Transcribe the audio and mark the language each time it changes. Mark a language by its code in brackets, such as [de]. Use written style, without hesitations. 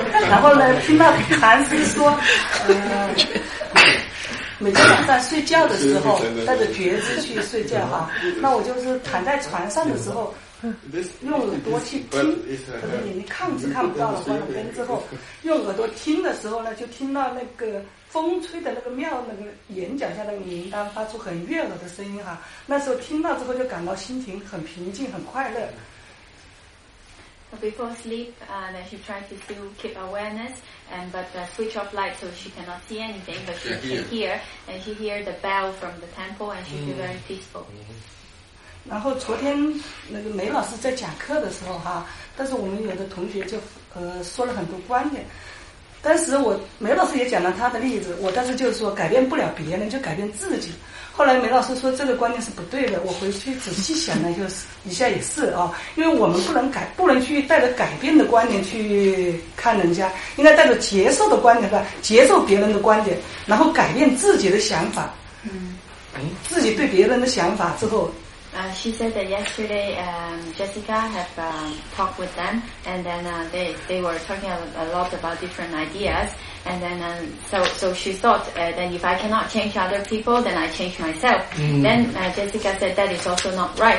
[zh] 然后呢听到禅师说每个人在睡觉的时候带着觉知去睡觉哈，那我就是躺在床上的时候用耳朵去听，可能眼睛看是看不到了，关了灯之后用耳朵听的时候呢，就听到那个风吹的那个庙那个檐角下那个铃铛发出很悦耳的声音哈，那时候听到之后就感到心情很平静很快乐。 [en] Before sleep, then she tries to still keep awareness, and but switch off light so she cannot see anything. But she can hear, and she hear the bell from the temple, and she feel very peaceful. [zh] 然后昨天那个梅老师在讲课的时候哈，但是我们有的同学就说了很多观点。当时我梅老师也讲了他的例子，我当时就是说改变不了别人，就改变自己。后来梅老师说这个观念是不对的，我回去仔细想了就是一下也是啊，因为我们不能去带着改变的观念去看人家，应该带着接受的观点吧，接受别人的观点，然后改变自己的想法。嗯，自己对别人的想法之后。 [en] She said that yesterday Jessica have talked with them, and then they were talking a lot about different ideas, and then so she thought that if I cannot change other people, then I change myself. Mm-hmm. Then Jessica said that is also not right.